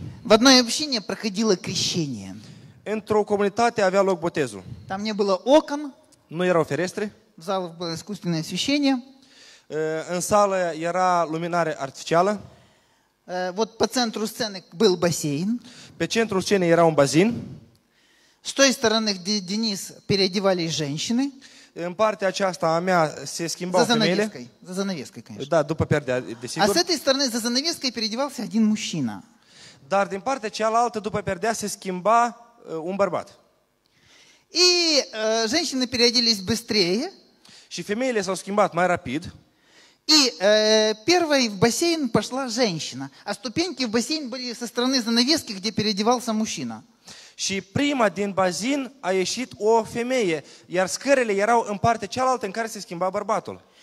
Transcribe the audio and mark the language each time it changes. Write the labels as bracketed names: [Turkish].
[Russian] В одной общине проходило крещение. [Romanian] Într-o comunitate avea loc botezul. [Russian] Там не было окон. [Romanian] Nu erau ferestre. [Russian] В залах было искусственное освещение. [Romanian] În sală era luminare artificială. [Russian] Вот по центру сцены был бассейн. [Romanian] Pe centrul scenei era un bazin. [Russian] С той стороны, где Денис, переодевались женщины. [Romanian] În partea aceasta a mea se schimbau [Russian] за [Romanian] femeile. [Russian] За занавеской, конечно. [Romanian] Да, după perdea, desigur. [Russian] А с этой стороны за занавеской переодевался один мужчина. [Romanian] Dar din partea cealaltă, după perdea, se schimba un bărbat. [Russian] И женщины переоделись быстрее. [Romanian] Și femeile s-au schimbat mai rapid. [Russian] И первой в бассейн пошла женщина. А ступеньки в бассейн были со стороны занавески, где переодевался мужчина. [Romanian] Și prima din bazin a ieșit o femeie, iar scările erau în partea cealaltă în care se schimba bărbatul.